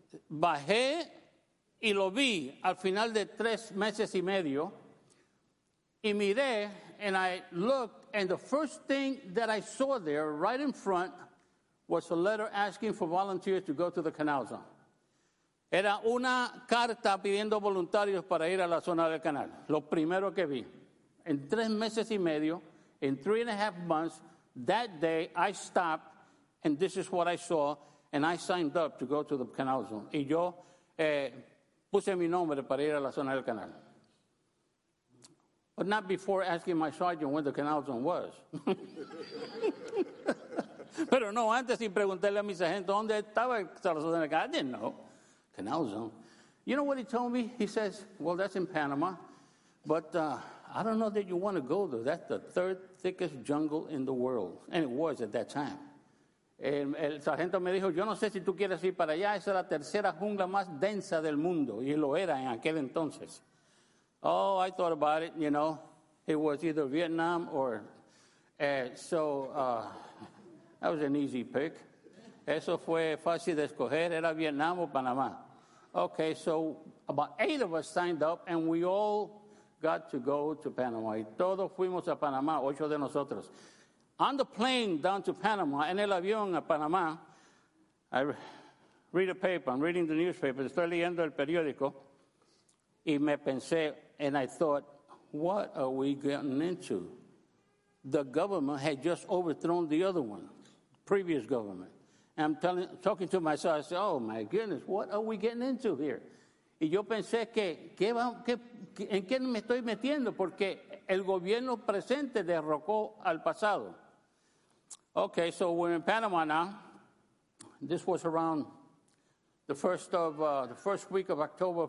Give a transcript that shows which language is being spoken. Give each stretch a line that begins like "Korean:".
Spanish: Bajé y lo vi al final de 3 meses y medio. Y miré,
English: and I looked, and the first thing that I saw there, right in front, was a letter asking for volunteers to go to the canal zone.
Spanish: Era una carta pidiendo voluntarios para ir a la zona del canal. Lo primero que vi. En 3 meses y medio,
English: in 3.5 months, that day, I stopped, and this is what I saw. And I signed up to go to the canal zone.
Spanish: Y yo puse mi nombre para ir a la zona del canal.
English: But not before asking my sergeant where the canal zone was.
Spanish: Pero no, antes sin preguntarle a mi sargento dónde estaba la zona del canal.
English: I didn't know. Canal zone. You know what he told me? He says, well, that's in Panama. But I don't know that you want to go there. That's the 3rd thickest jungle in the world. And it was at that time.
Spanish: El sargento me dijo, yo no sé si tú quieres ir para allá, esa es la 3ª jungla más densa del mundo, y lo era en aquel entonces.
English: Oh, I thought about it, you know, it was either Vietnam or, that was an easy pick.
Spanish: Eso fue fácil de escoger, era Vietnam o Panamá.
English: Okay, so about 8 of us signed up, and we all got to go to Panama,
Spanish: y todos fuimos a Panamá, 8 de nosotros.
English: On the plane down to Panama,
Spanish: en el avión a Panamá,
English: I read a paper, I'm reading the newspaper,
Spanish: estoy leyendo el periódico, y me pensé,
English: and I thought, what are we getting into? The government had just overthrown the other one, previous government. And I'm talking to myself, I said, oh my goodness, what are we getting into here?
Spanish: Y yo pensé en qué me estoy metiendo, porque el gobierno presente derrocó al pasado.
English: Okay, so we're in Panama now. This was around the first week of October.